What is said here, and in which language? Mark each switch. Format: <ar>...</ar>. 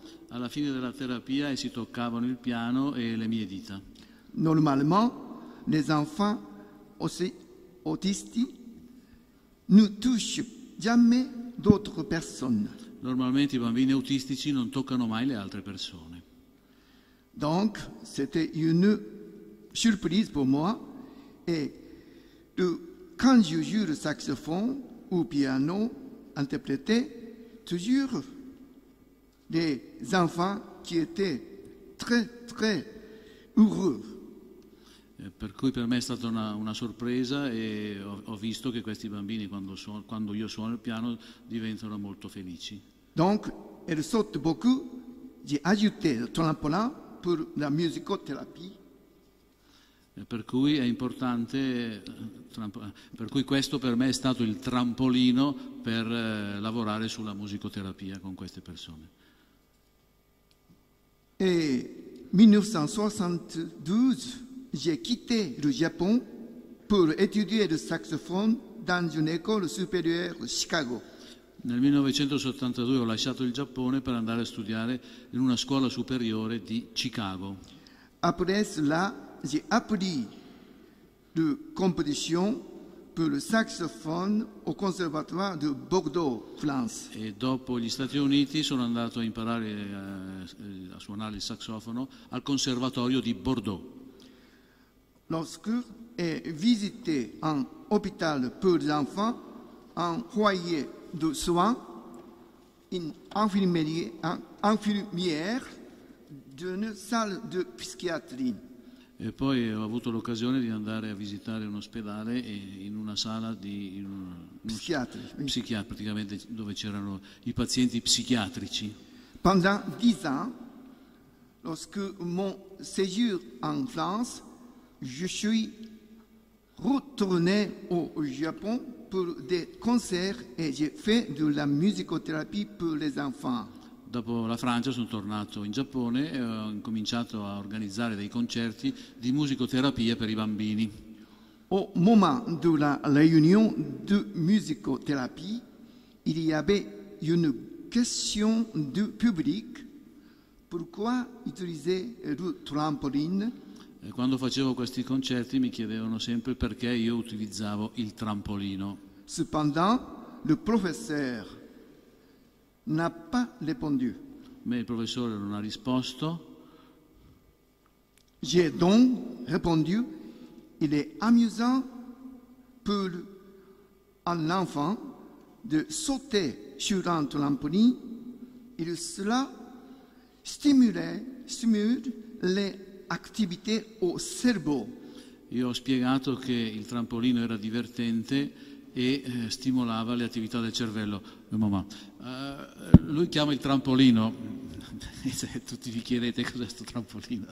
<it>Alla fine della terapia, essi toccavano il piano e le mie dita.</it> <fr>Normalement, les enfants aussi autistes ne touchent jamais d'autres personnes.</fr> <it>Normalmente i bambini autistici non toccano mai le altre persone.</it> <fr>Donc, c'était une surprise pour moi et quand je joue le saxophone ou piano interprété, toujours les enfants qui étaient très très heureux.</fr> <it>Per cui per me è stata una sorpresa e ho visto che questi bambini quando io suono il piano diventano molto felici.</it> <fr>Donc, elle saute beaucoup, j'ai ajouté le trampolin pour la musicothérapie.</fr> <it>Per cui è importante, per cui questo per me è stato il trampolino per lavorare sulla musicoterapia con queste persone.</it> <fr>E 1972 j'ai quitté le Japon pour étudier le saxophone dans une école supérieure de Chicago.</fr> <it>Nel 1972 ho lasciato il Giappone per andare a studiare in una scuola superiore di Chicago.</it> <fr>Après cela, j'ai appris la composition pour le saxophone au conservatoire de Bordeaux, France.</fr> <it>E dopo gli Stati Uniti sono andato a imparare a suonare il saxofono al conservatorio di Bordeaux.</it> <fr>Lorsque j'ai visité un hôpital pour les enfants, un foyer de soins, une infirmière d'une salle de psychiatrie.</fr> <it>E poi ho avuto l'occasione di andare a visitare un ospedale in una sala di psichiatri, praticamente dove c'erano i pazienti psichiatrici.</it> <fr>Pendant 10 ans, lorsque mon séjour en France, je suis retourné au Japon pour des concerts et j'ai fait de la musicothérapie pour les enfants.</fr> <it>Dopo la Francia sono tornato in Giappone e ho incominciato a organizzare dei concerti di musicoterapia per i bambini.</it> <fr>Au moment de la réunion de musicothérapie, il y avait une question du public: pourquoi utiliser le trampoline?</fr> <it>E quando facevo questi concerti mi chiedevano sempre perché io utilizzavo il trampolino.</it> <fr>Cependant, le professeur n'a pas répondu.</fr> <it>Ma il professore non ha risposto.</it> <fr>J'ai donc répondu: il est amusant pour un enfant de sauter sur un trampoline. Et cela stimule les activités au cerveau.</fr> <it>Io ho spiegato che il trampolino era divertente e stimolava le attività del cervello. Mamma, lui chiama il trampolino. Tutti vi chiedete cos'è questo trampolino.</it>